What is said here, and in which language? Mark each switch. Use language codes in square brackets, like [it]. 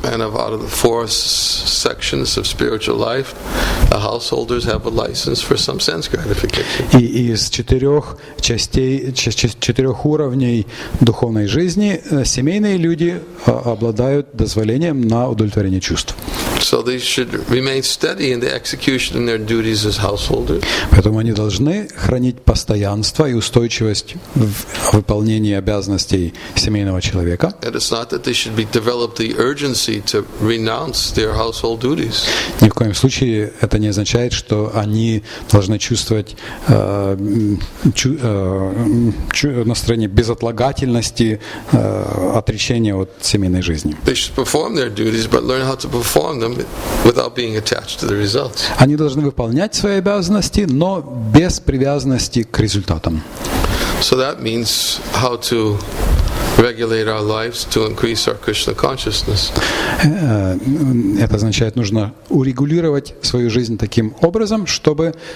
[en] And of out of the four sections of spiritual life, the householders have a license for some sense gratification. [ru] И из четырех частей четырех уровней духовной жизни семейные люди обладают дозволением на удовлетворение чувств. [en] So they should remain steady in the execution of their duties as householders. [ru] Поэтому они должны хранить постоянство и устойчивость в выполнении обязанностей семейного человека. [en] It is not that they should be developed the urgency to renounce their household duties. [ru] Ни в коем случае это не означает, что они должны чувствовать настроение безотлагательности отречения от семейной жизни. [en] They should perform their duties, but learn how to perform them without being attached to the results. [ru] Они должны выполнять свои обязанности, но без привязанности к результатам. [en] So that means how to regulate our lives to increase our Krishna consciousness. [ru] Это означает, нужно урегулировать свою жизнь таким образом, чтобы